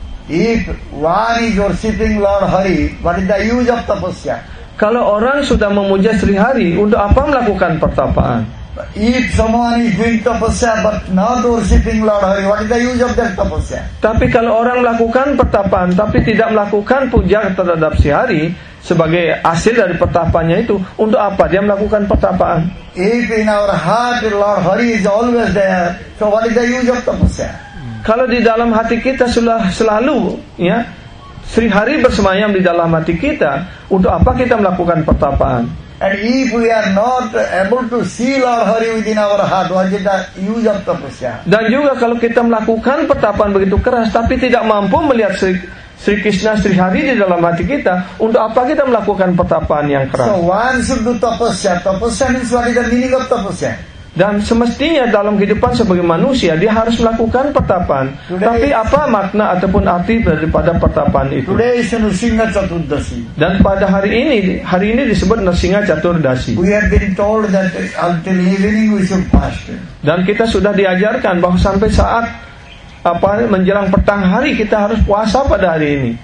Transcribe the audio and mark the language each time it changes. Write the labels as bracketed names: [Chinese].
[English] If one is worshipping Lord Hari, what is the use of tapasya? [Indonesian] Kalau orang sudah memuja Sri Hari, untuk apa melakukan pertapaan? [English] If someone is doing tapasya but not worshipping Lord Hari, what is the use of that tapasya? [Indonesian] Tapi kalau orang melakukan pertapaan tapi tidak melakukan puja terhadap Sri Hari sebagai hasil dari pertapaannya itu, untuk apa dia melakukan pertapaan? [English] If in our heart Lord Hari is always there, so what is the use of tapasya? [Indonesian] Kalau di dalam hati kita sudah selalu ya Sri Hari bersemayam di dalam hati kita, untuk apa kita melakukan pertapaan? [English] And if we are not able to see Lord Hari within our heart, what is the use of tapasya? [Indonesian] Dan juga kalau kita melakukan pertapaan begitu keras tapi tidak mampu melihat Sri Krishna, Sri Hari di dalam hati kita, untuk apa kita melakukan pertapaan yang keras? [English] So one should do tapasya. Tapasya means what is the meaning of tapasya? [Indonesian] Dan semestinya dalam kehidupan sebagai manusia dia harus melakukan pertapaan. Tapi apa makna ataupun arti daripada pertapaan itu? [English] Today is Narsingha Chaturdasi. [Indonesian] Dan pada hari ini disebut Narsingha Chaturdasi. [English] We have been told that until evening we should fast. [Indonesian] Dan kita sudah diajarkan bahwa sampai saat apa menjelang petang hari kita harus puasa pada hari ini.